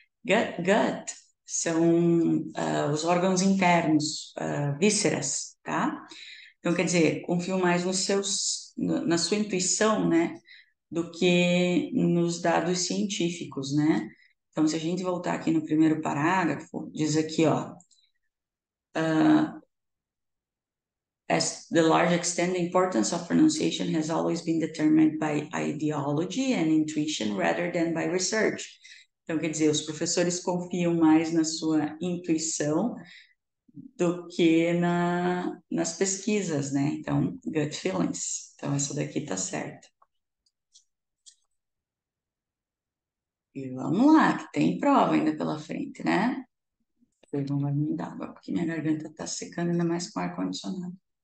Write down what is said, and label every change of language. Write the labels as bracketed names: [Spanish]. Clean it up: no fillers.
[Portuguese] Gut são os órgãos internos, vísceras, tá? Então, quer dizer, confiam mais nos seus, no, na sua intuição, né? Do que nos dados científicos, né? Então, se a gente voltar aqui no primeiro parágrafo, diz aqui, ó. [English] As the large extent, the importance of pronunciation has always been determined by ideology and intuition rather than by research. [Portuguese] Então, quer dizer, os professores confiam mais na sua intuição do que nas pesquisas, né? Então, gut feelings. Então, essa daqui tá certa. E vamos lá, que tem prova ainda pela frente, né? Vou pegar uma bebida d'água, porque minha garganta tá secando ainda mais com ar-condicionado.